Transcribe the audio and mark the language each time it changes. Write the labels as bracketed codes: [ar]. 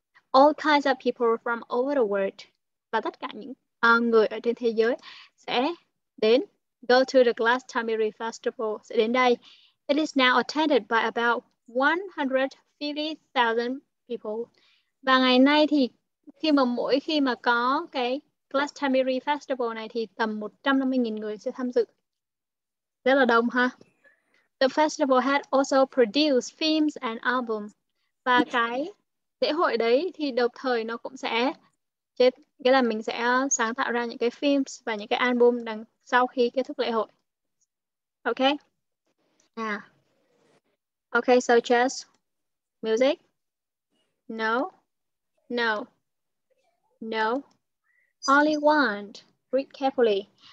[en] All kinds of people from over the world, [vi] và tất cả những người ở trên thế giới sẽ đến, [en] go to the Glastonbury Festival, [vi] sẽ đến đây. [en] It is now attended by about 150,000 people. [vi] Và ngày nay thì khi mà mỗi khi mà có cái Glastonbury Festival này thì tầm 150,000 người sẽ tham dự. Rất là đông ha. [en] The festival had also produced films and albums. [vi] Và cái lễ hội đấy thì đồng thời nó cũng sẽ chết, nghĩa là mình sẽ sáng tạo ra những cái films và những cái album đằng sau khi kết thúc lễ hội. [en] Okay. Yeah. Okay, so just music? No. No. No. Only one. Read carefully.